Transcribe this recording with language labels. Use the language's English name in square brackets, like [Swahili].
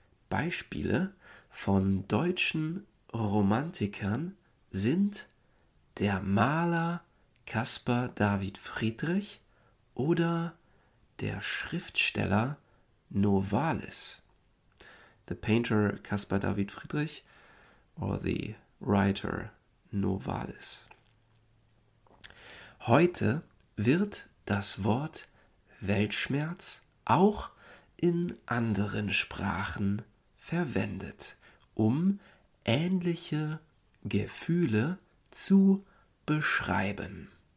[German] Beispiele von deutschen Romantikern sind der Maler Caspar David Friedrich oder der Schriftsteller Novalis. [English] The painter Caspar David Friedrich or the writer Novalis. [German] Heute wird das Wort Weltschmerz auch in anderen Sprachen verwendet, um ähnliche Gefühle zu beschreiben.